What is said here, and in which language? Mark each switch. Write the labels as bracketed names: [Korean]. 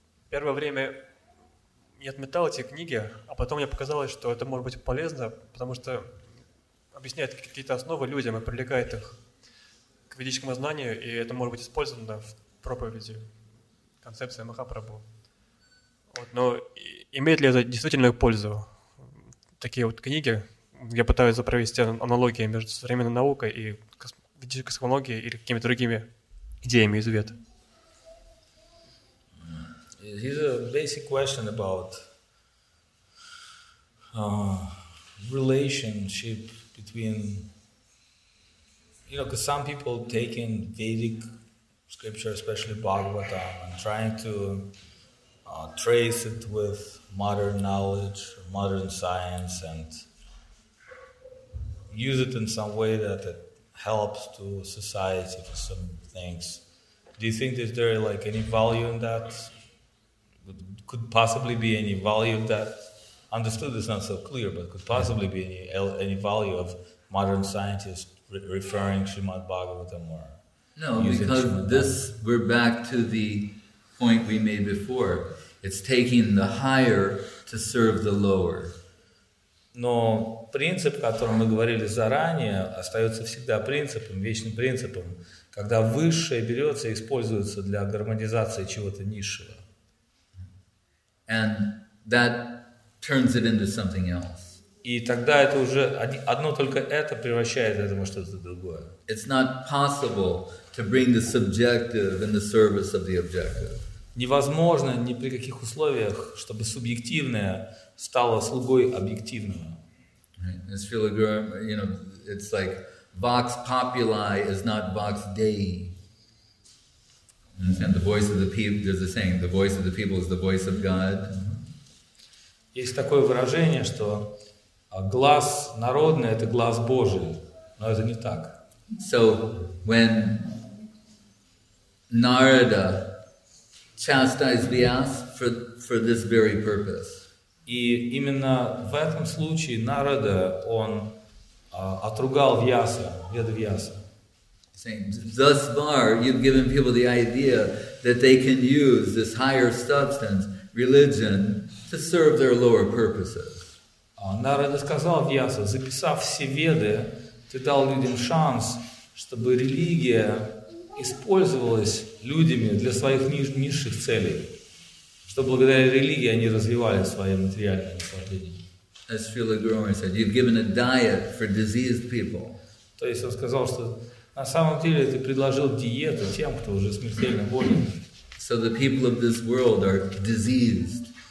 [Russian] Первое время я отметал эти книги, а потом мне показалось, что это может быть полезно, потому что объясняет какие-то основы людям и привлекает их к ведическому знанию, и это может быть использовано в проповеди, концепции Махапрабху. Вот, но имеет ли это действительно пользу? Такие вот книги, я пытаюсь провести аналогии между современной наукой и космологией или какими-то другими идеями из Вед. [English] Here's a basic question about relationship between, you know, because some people taking Vedic scripture, especially Bhagavatam, and trying to trace it with modern knowledge, modern science, and use it in some way that it helps to society for some things. Do you think is there like any value in that? Could possibly be any value that, understood it's not so clear, but could possibly be any value of modern scientists referring Srimad Bhagavatam or No, because Srimad this, we're back to the point we made before. It's taking the higher to serve the lower. [Russian] Но принцип, о котором мы говорили заранее, остается всегда принципом, вечным принципом, когда высшее берется и используется для гармонизации чего-то низшего. [English] And that turns it into something else. [Russian] И тогда это уже одно только это превращает это во что-то другое. [English] It's not possible to bring the subjective in the service of the objective. [Russian] Невозможно ни при каких условиях, чтобы субъективное стало слугой объективного. [English] It's you know, it's like [Latin] vox populi is not vox dei. [English] And the voice of the people, there's a saying, the voice of the people is the voice of God. [Russian] Есть такое выражение, что глас народный — это глас Божий, но это не так. [English] So when Narada chastised Vyas for this very purpose. [Russian] И именно в этом случае Нарада, он отругал Вьяса, Веда Вьяса. [English] Saying, thus far, you've given people the idea that they can use this higher substance, religion, to serve their lower purposes. [Russian] Нарада сказал Вьясу, записав все веды, ты дал людям шанс, чтобы религия использовалась людьми для своих низших целей, чтобы благодаря религии они развивали свои материальные наслаждения. [English] As Srila Gurumayi said, you've given a diet for diseased people. [Russian] То есть он сказал, что на самом деле ты предложил диету тем, кто уже смертельно болен. [English] So the people of this world are diseased.